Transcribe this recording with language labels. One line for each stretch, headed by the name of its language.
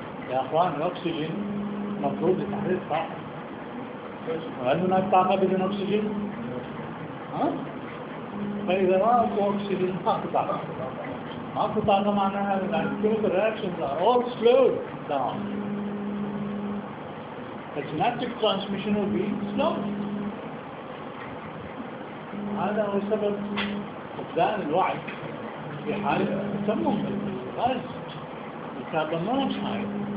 Arabic: يا أخوان الأكسجين مفروض التحليل صح؟ هل هناك طاقة بدون أكسجين؟ ها؟ فإذا ما أكو أكسجين ما أكو طاقة معناها أن
English: chemical reactions are all slowed down. The synaptic transmission will be slowed.
Arabic: هذا هو سبب فقدان الوعي في حالة التسمم بالغاز الكربون مونوكسيد.